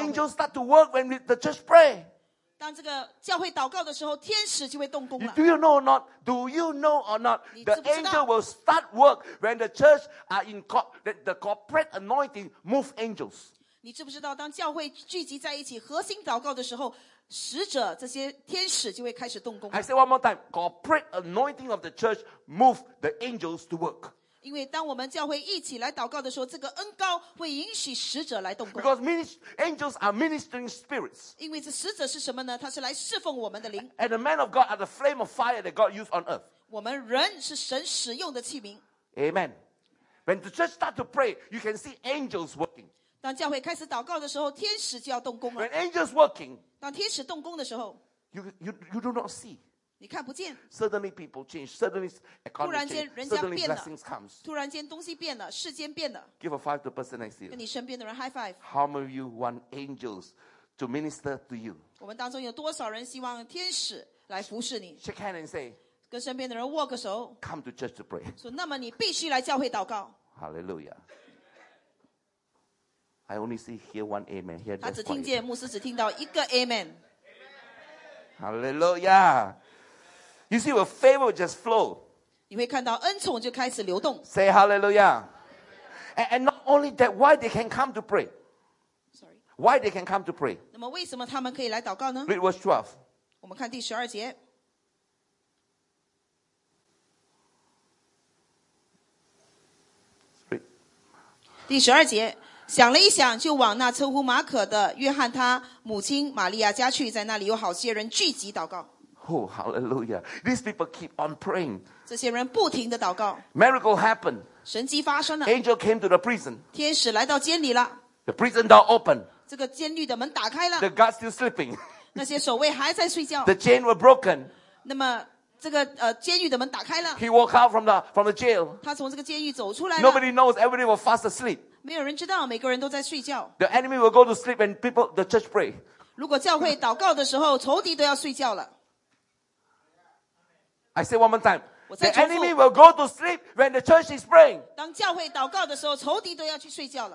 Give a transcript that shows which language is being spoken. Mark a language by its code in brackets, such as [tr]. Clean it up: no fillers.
[en] The angels start to work when the church pray. [zh] 当这个教会祷告的时候，天使就会动工了。 [en] Do you know or not? Do you know or not? The angel will start work when the church are in the corporate anointing move angels. [zh] 你知不知道，当教会聚集在一起核心祷告的时候，使者这些天使就会开始动工 [en] 了。I say one more time, corporate anointing of the church move the angels to work. [zh] 因为当我们教会一起来祷告的时候，这个恩膏会允许使者来动工。 [en] Because angels are ministering spirits. [zh] 因为这使者是什么呢？他是来侍奉我们的灵。 [en] And the men of God are the flame of fire that God used on earth. [zh] 我们人是神使用的器皿。 [en] Amen. When the church start to pray, you can see angels working. [zh] 当教会开始祷告的时候，天使就要动工了。 [en] When angels working, [zh] 当天使动工的时候 [en] you do not see. [zh] 你看不见。 [en] Suddenly people change. Suddenly economy change. [zh] 突然间人家变了。 [en] Suddenly blessings comes. [zh] 突然间东西变了，世间变了。 [en] Give a five to the person next to you. [zh] 跟你身边的人 [en] high five. How many of you want angels to minister to you? [zh] 我们当中有多少人希望天使来服侍你？ [en] Shake hands and say. [zh] 跟身边的人握个手。 [en] Come to church to pray. [zh] 说那么你必须来教会祷告。 [en] Hallelujah. I only see here one amen. Here [zh] 他只听见牧师只听到一个 amen. [en] Hallelujah. You see, where favor just flow. [zh] 你会看到恩宠就开始流动。 [en] Say hallelujah. And not only that, why they can come to pray? Sorry. Why they can come to pray? [zh] 那么为什么他们可以来祷告呢？ [en] Read verse 12. [zh] 我们看第十二节。第十二节，想了一想，就往那称呼马可的约翰他母亲玛利亚家去，在那里有好些人聚集祷告。 [en] Oh, hallelujah! These people keep on praying. [zh] 这些人不停的祷告。 [en] Miracle happened. [zh] 神迹发生了。 [en] Angel came to the prison. [zh] 天使来到监里了。 [en] The prison door opened. [zh] 这个监狱的门打开了。 [en] The guard still sleeping. [zh] 那些守卫还在睡觉。 [en] The chain were broken. [zh] 那么。这个监狱的门打开了。 [en] He walked out from the jail. [zh] 他从这个监狱走出来了。 [en] Nobody knows. Everybody was fast asleep. [zh] 没有人知道，每个人都在睡觉。 [en] The enemy will go to sleep and people the church pray. [zh] 如果教会祷告的时候，仇敌都要睡觉了。 [en] I say one more time. The enemy will go to sleep when the church is praying. [zh] 当教会祷告的时候，仇敌都要去睡觉了。